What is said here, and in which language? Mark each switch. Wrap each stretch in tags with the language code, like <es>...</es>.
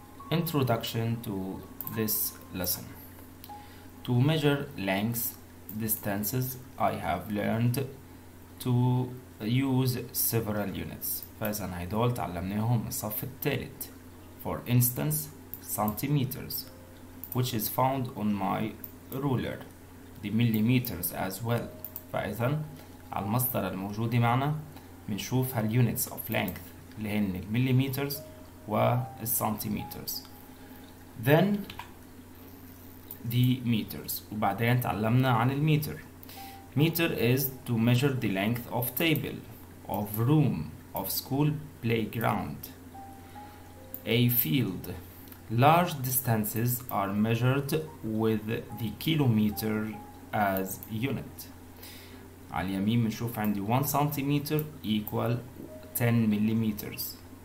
<en>Introduction to this lesson. To measure lengths, distances, I have learned to use several units.</en> <ar>فإذن هيدول تعلمناهم من الصف الثالث.</ar> <en>For instance, centimeters, which is found on my ruler, the millimeters as well.</en> <ar>فإذن على المصدر الموجود معنا منشوف هال units of length اللي هن millimeters والcentimeters.</ar> <en>Then the meters.</en> <ar>وبعدين تعلمنا عن المتر.</ar> <en>Meter is to measure the length of table, of room, of school playground, a field. Large distances are measured with the kilometer as unit.</en> <ar>على اليمين بنشوف عندي</ar> <en>1 centimeter equal 10 millimeters.</en>